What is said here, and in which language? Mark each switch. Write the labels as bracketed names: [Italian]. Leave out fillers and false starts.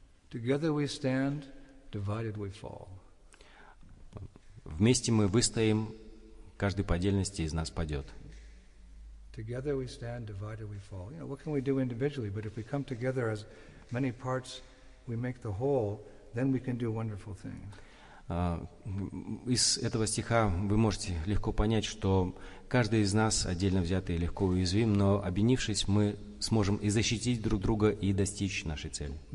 [English] Together we stand, divided we fall. [Russian] Вместе мы выстоим, каждый по отдельности из нас падет. [English] Together we stand, divided we fall. You know, what can we do individually? But if we come together as many parts, we make the whole, then we can do wonderful things. [Russian] Из этого стиха вы можете легко понять, что каждый из нас отдельно взятый легко уязвим, но объединившись, мы сможем и защитить друг друга, и достичь нашей цели.